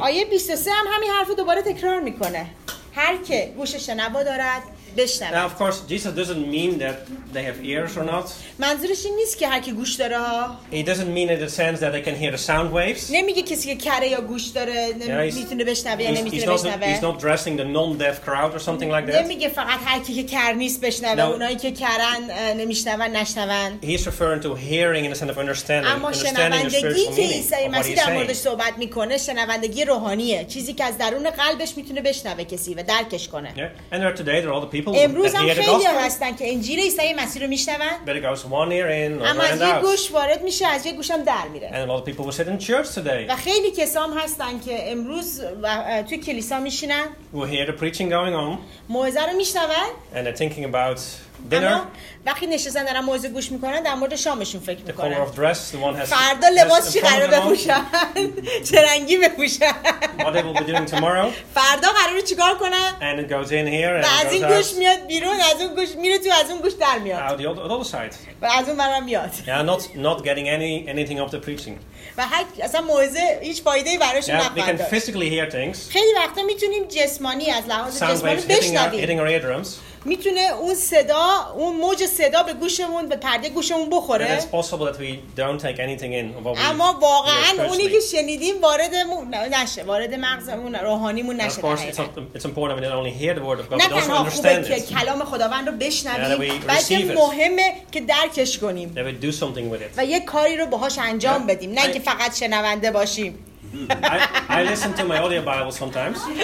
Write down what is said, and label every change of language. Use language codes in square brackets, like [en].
[fa] آیه 23 هم همین حرف رو دوباره تکرار میکنه. هر که گوش شنوا دارد بشنود. [en] Now of course Jesus doesn't mean that they have ears or not. [fa] منظورش این نیست که هر که گوش داره. [en] He doesn't mean in the sense that they can hear the sound waves. [fa] نمیگه کسی که کره یا گوش داره نمیتونه بشنوه یا نمیتونه بشنوه. [en] He's not addressing the non-deaf crowd or something like that. [fa] نمیگه فقط هر کی که کر نیست بشنوه، اونایی که کرن نمیشنون نشنون. [en] He's referring to hearing in the sense of understanding. [fa] اما شنوندگی که عیسی مسیح در موردش صحبت میکنه شنوندگی روحانیه، چیزی که از درون قلبش میتونه بشنوه کسی و درکش کنه. [en] And there today there are all the people [fa] امروز هم خیلی ها هستن که انجیل عیسی مسیح رو میشنون اما از یه گوش وارد میشه از یه گوشم در میره. [en] And a lot of people were sitting in church today. [fa] و خیلی کسام هستن که امروز تو کلیسا میشینن [en] who hear the preaching going on [fa] موعظه رو میشنون [en] and they're thinking about dinner. [fa] وقتی نشستن دارن موضوع گوش میکنن در مورد شامشون فکر میکنن. [en] The color of dress, the one has [fa] فردا لباس چی قراره بپوشن؟ چه رنگی بپوشن؟ [en] What they will be doing tomorrow? [fa] فردا قراره چیکار کنن؟ [en] And it goes in here and goes out. [fa] از این گوش میاد بیرون، از اون گوش میره تو، از اون گوش در میاد. [en] Out the other side. [fa] و از اون برم میاد. [en] Yeah, not getting anything of the preaching. [fa] و اصلا موعظه هیچ فایده‌ای براش نداره. [en] We can physically hear things. [fa] خیلی وقتا میتونیم جسمانی از لحاظ جسمانی بشنویم. [en] Hitting our eardrums. [fa] میتونه اون صدا، اون موج صدا به گوشمون، به پرده گوشمون بخوره. [en] It's possible that we don't take anything in. [fa] اما واقعا اونی که شنیدیم وارد نشه، وارد مغزمون، روحانیمون نشه. [en] Of course, it's important that we don't only hear the word of God, but also understand it. [fa] نه تنها خوبه که کلام خداوند رو بشنویم، بلکه مهمه که درکش کنیم. [en] That we do something with it. [fa] و یه کاری رو باهاش انجام بدیم، نه اینکه فقط شنونده باشیم. [en] I listen to my audio Bible sometimes.